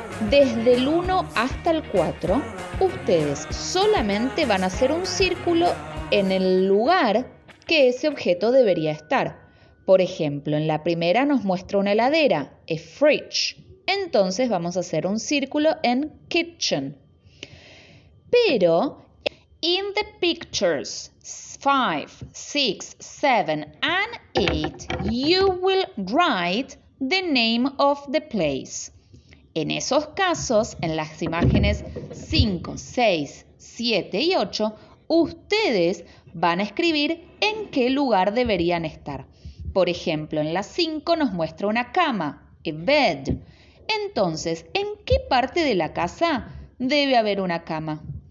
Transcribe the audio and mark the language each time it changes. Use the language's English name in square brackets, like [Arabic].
[Spanish] Desde el 1 hasta el 4, ustedes solamente van a hacer un círculo en el lugar que ese objeto debería estar. Por ejemplo, en la primera nos muestra una heladera, [English] a fridge. [Spanish] Entonces vamos a hacer un círculo en kitchen. [English] Pero, in the pictures 5, 6, 7 and 8, you will write the name of the place. [Spanish] En esos casos, en las imágenes 5, 6, 7 y 8, ustedes van a escribir en qué lugar deberían estar. Por ejemplo, en la 5 nos muestra una cama, [English] a bed. [Spanish] Entonces, ¿en qué parte de la casa debe haber una cama?